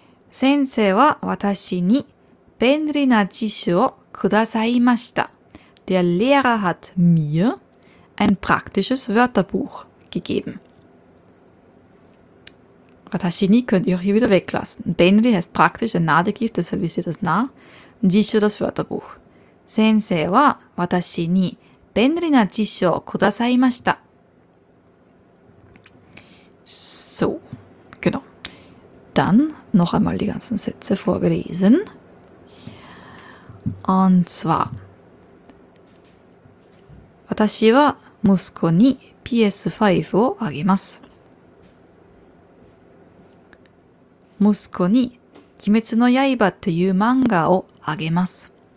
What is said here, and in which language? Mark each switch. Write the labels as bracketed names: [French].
[Japanese] 先生は私に便利な辞書をくださいました。 [German] Der Lehrer hat mir ein praktisches Wörterbuch gegeben. 私に könnt ihr auch hier wieder weglassen. 便利 heißt praktisch, ein Adjektiv, deshalb ist hier das nah. 辞書 das Wörterbuch. [Japanese] 先生は私に便利な辞書をくださいました。 [German] So, genau. Dann noch einmal die ganzen Sätze vorgelesen. Und zwar: [Japanese] 私は息子に PS5 をあげます。息子に鬼滅の刃という漫画をあげます。